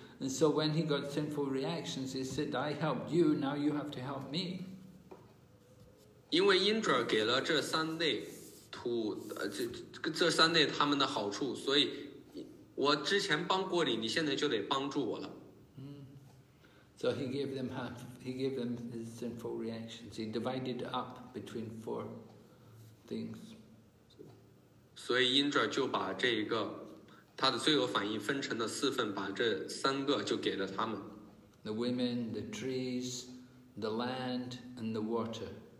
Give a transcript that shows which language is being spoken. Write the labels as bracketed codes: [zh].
[en] And so when he got sinful reactions, he said, I helped you, now you have to help me. [zh] 因为Indra给了这三类他们的好处, 所以我之前帮过你，你现在就得帮助我了。 [en] So he gave them half, he gave them his sinful reactions. He divided up between four things. [zh] 所以Indra就把这个 他的罪恶反应分成了四份，把这三个就给了他们。 [en] The women, the trees, the land, and the water.